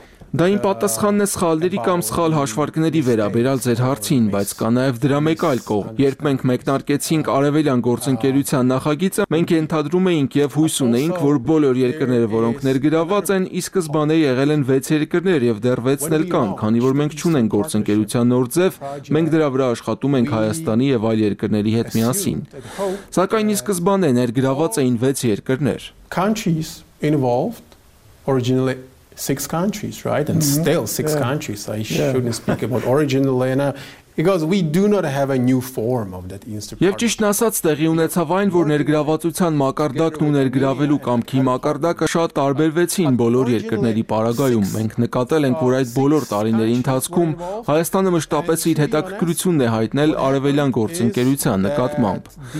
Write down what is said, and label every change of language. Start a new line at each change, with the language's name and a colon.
Armenian: Դա իմ պատասխանն է սխալների կամ սխալ հաշվարկների վերաբերյալ ձեր հարցին, բայց կա նաև դրա մեկ այլ կողմ։ Երբ մենք մեկնարկեցինք Արևելյան գործընկերության նախագիծը, մենք ենթադրում էինք եւ հույս ունեինք, որ բոլոր երկրները, որոնք ներգրաված են, ի սկզբանե եղել են 6 երկրներ եւ դեռ 6-ն էլ կան, քանի որ մենք չունենք գործընկերության նոր ձև, մենք դրա վրա աշխատում ենք Հայաստանի եւ այլ երկրների հետ միասին։ Սակայն ի սկզբանե ներգրաված էին 6 երկրներ։
English: Countries involved originally 6 countries, right? And mm-hmm. still 6 yeah. countries. I shouldn't speak about originally and because we do not have a new form of that instrument.
Armenian: Եվ ճիշտ ասած, տեղի ունեցավ այն, որ ներգրավածության մակարդակն ու ներգրավելու կամքի մակարդակը շատ տարբերվեցին բոլոր երկրների պարագայում։ Մենք նկատել ենք, որ այդ բոլոր տարիների ընթացքում Հայաստանը մշտապես իր հետաքրքրությունն է հայտնել Արևելյան գործընկերության նկատմամբ։